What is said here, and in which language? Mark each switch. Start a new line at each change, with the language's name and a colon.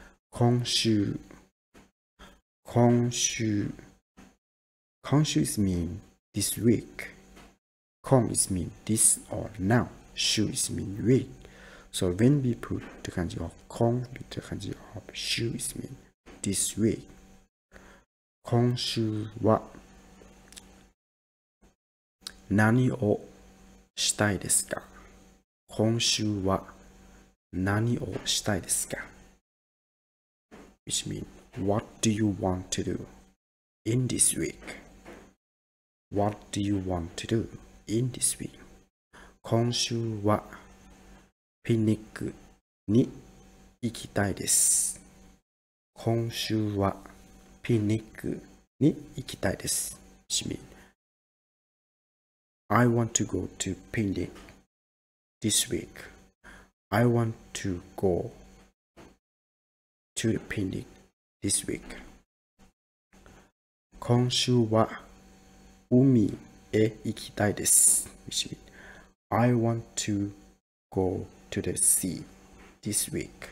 Japanese: 今週、今週、今週
English: is mean this week. 今 is mean this or now. 週 is mean week. So when we put the kanji of 今 with the kanji of 週 is mean this week.
Japanese: 今週は何をしたいですか？今週は何をしたいですか？
English: Which means, what do you want to do in this week? What do you want to do in this week?
Japanese: 今週はピクニックに行きたいです。今週はピクニックに行きたいです。
English: Which means, I want to go to picnic this week. I want to go. To the picnic this week.
Japanese: 今週は海へ行きたいです。
English: Which means, I want to go to the sea this week.